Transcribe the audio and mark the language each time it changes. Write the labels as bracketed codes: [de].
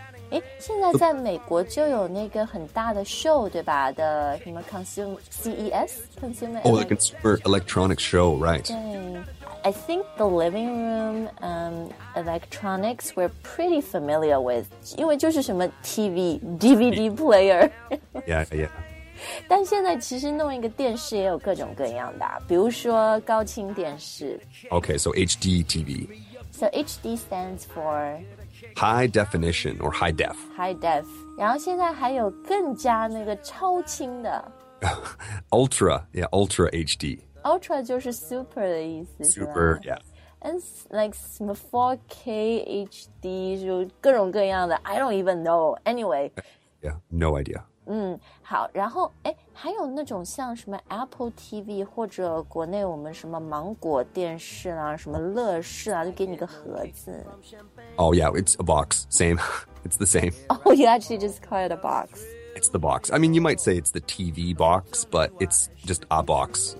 [zh] 诶现在在美国就有那个很大的 show, 对吧的什么 CES? Consumer [en] Oh, the Consumer Electronics Show, right. [zh] 对 [en] I think the living room electronics we're pretty familiar with, [zh] 因为就是什么 [en] TV, DVD player. Yeah, yeah. [zh] 但现在其实弄一个电视也有各种各样的比如说高清电视。 [en] Okay, so HD TV. So HD stands for... High definition or high def. High def. [zh] 然后现在还有更加那个超清的。 [en] Ultra, yeah, ultra HD. [zh] Ultra 就是 super 的意思。 [en] Super, yeah. And like [zh] 什么 4K HD, 就各种各样的。 [en] I don't even know. Anyway. Yeah, no idea. [zh] 好然后还有那种像什么 Apple TV, 或者国内我们什么芒果电视啊什么乐视啊就给你个盒子。 [en] Oh yeah, it's a box, same, it's the same. Oh, you actually just call it a box. It's the box. I mean, you might say it's the TV box, but it's just a box.